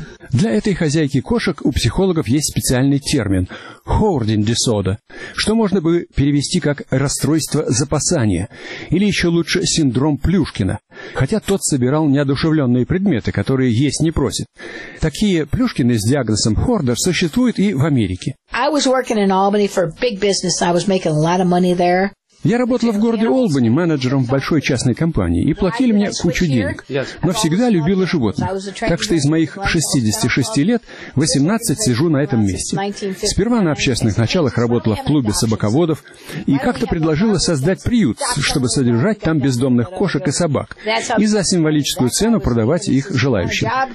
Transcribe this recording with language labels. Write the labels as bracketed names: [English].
[Russian] Для этой хозяйки кошек у психологов есть специальный термин – hoarding disorder, что можно бы перевести как «расстройство запасания», или еще лучше «синдром Плюшкина», хотя тот собирал неодушевленные предметы, которые есть не просит. Такие Плюшкины с диагнозом hoarder существуют и в Америке. [English] I was working in Albany for big business. I was making a lot of money there. [Russian] Я работал в городе Олбани менеджером в большой частной компании, и платили мне кучу денег, но всегда любил животных. Так что из моих 66 лет, 18 сижу на этом месте. Сперва на общественных началах работала в клубе собаководов, и как-то предложила создать приют, чтобы содержать там бездомных кошек и собак, и за символическую цену продавать их желающим.